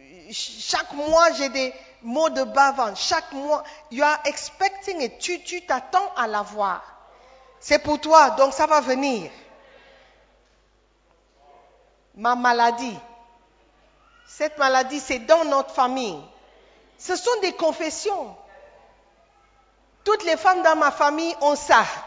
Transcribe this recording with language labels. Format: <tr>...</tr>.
<fr>Chaque mois, j'ai des maux de bas-ventre. Chaque mois,</fr> <en>you are expecting it.</en> <fr>Tu t'attends à l'avoir. C'est pour toi, donc ça va venir. Ma maladie. Cette maladie, c'est dans notre famille. Ce sont des confessions. Toutes les femmes dans ma famille ont ça.</fr>